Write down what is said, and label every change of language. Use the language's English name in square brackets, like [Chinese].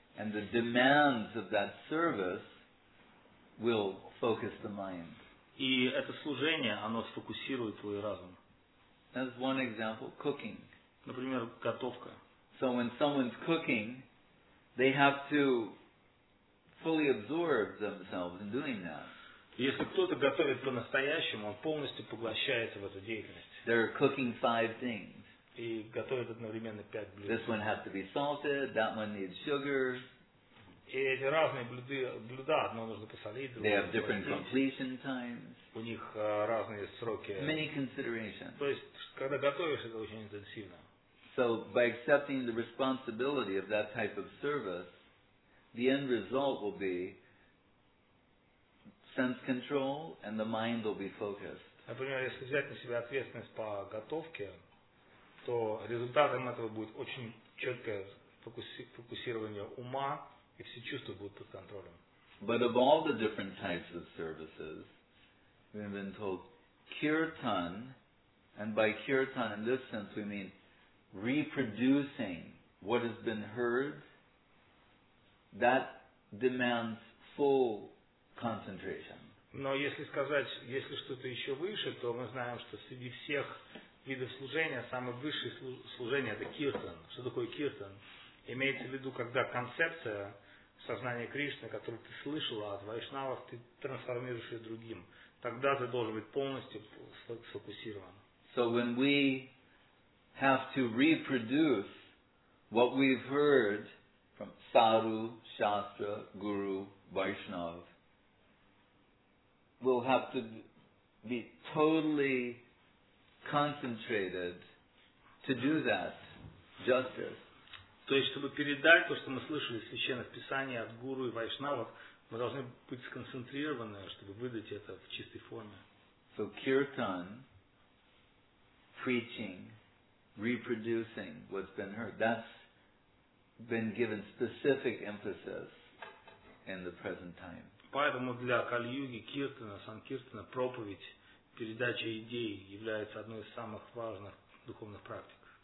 [English] And the demands of that service will focus the mind. [Russian] И это служение, оно сфокусирует твой разум. [English] That's one example, cooking. [Russian] Например, готовка. [English] So when someone's cooking, they have to fully absorb themselves in doing that. [Russian] Если кто-то готовит по-настоящему, он полностью поглощается в эту деятельность. [English] They're cooking five things. [Russian] И готовят одновременно пять блюд. [English] This one has to be salted, that one needs sugar. [Russian] И эти разные блюда, одно нужно посолить, другое. [English] They have different completion times. [Russian] У них разные сроки. [English] Many considerations. [Russian] То есть, когда готовишь, это очень интенсивно. [English] So by accepting the responsibility of that type of service, the end result will be sense control and the mind will be focused. [Russian] Например, если взять на себя ответственность по готовке, то результатом этого будет очень четкое фокусирование ума, и все чувства будут под контролем. [English] But of all the different types of services, we've been told kirtan, and by kirtan in this sense we mean reproducing what has been heard, that demands full concentration. [Russian] Но если сказать, если что-то еще выше, то мы знаем, что среди всех видов служения самое высшее служение это киртан. Что такое киртан? Имеется в виду, когда концепция сознания Кришны, которую ты слышала от вайшнавов, ты трансформируешь ее другим. Тогда ты должен быть полностью сфокусирован. [English] So when we have to reproduce what we've heard from Sadhu, Shastra, Guru, Vaishnav, we'll have to be totally concentrated to do that justice. [Russian] То есть, чтобы передать то, что мы слышали в священных писаниях от Гуру и Вайшнавов, мы должны быть сконцентрированы, чтобы выдать это в чистой форме. [English] So kirtan, preaching, reproducing what's been heard. That's been given specific emphasis in the present time. [Russian] Поэтому для Кали-юги киртана, санкиртана, проповедь, передача идей является одной из самых важных духовных практик.